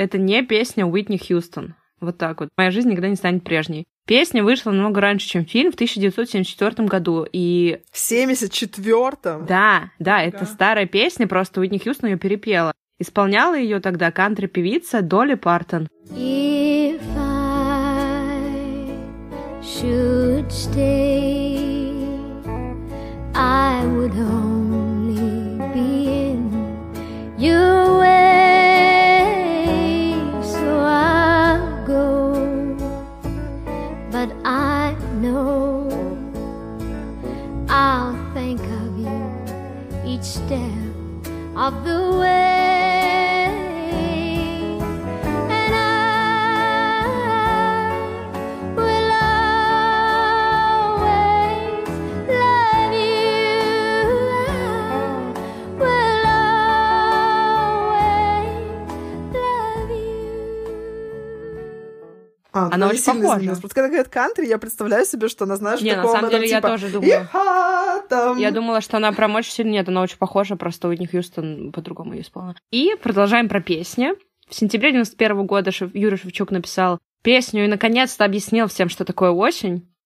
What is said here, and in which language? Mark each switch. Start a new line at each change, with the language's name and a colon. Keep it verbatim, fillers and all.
Russian: Это не песня Уитни Хьюстон. Вот так вот. Моя жизнь никогда не станет прежней. Песня вышла намного раньше, чем фильм, в тысяча девятьсот семьдесят четвёртом году. И... В семьдесят четвёртом? Да, да, это да. Старая песня, просто Уитни Хьюстон ее перепела. Исполняла ее тогда кантри-певица Долли Партон.
English: If I should stay, I would only be in your way, so I'll go, but I know I'll think of you each step of the way, and I will always love you, I will always love you. А,
Russian: она ну, очень похожа. Просто когда говорят кантри, я представляю себе, что она, знаешь, не, такого... на самом деле типа, я тоже думаю. Иха, там... Я думала, что она прям очень сильно... Нет, она очень похожа, просто Уитни Хьюстон по-другому ее исполнила. И продолжаем про песни. В сентябре девяносто первого года Шев... Юрий Шевчук написал песню и, наконец-то, объяснил всем, что такое осень.